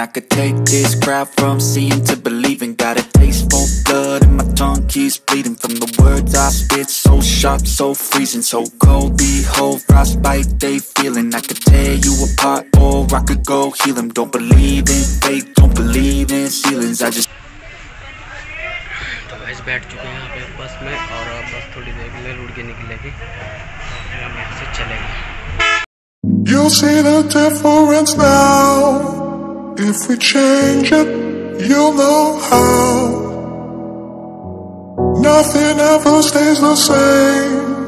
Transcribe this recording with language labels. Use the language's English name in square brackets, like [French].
[English] I could take this crowd from seeing to believing. Got a taste for blood and my tongue keeps bleeding. From the words I spit, so sharp, so freezing. So cold, behold, frostbite. They feeling I could tear you apart or I could go heal them. Don't believe in faith, don't believe in ceilings. I just [Hindi] तो guys बैठ चुके हैं यहाँ पे बस में, और बस थोड़ी देर में रुड़ के निकलेगी, फिर हम यहाँ से चलेंगे। [English] You see the difference now. If we change it, you'll know how. Nothing ever stays the same.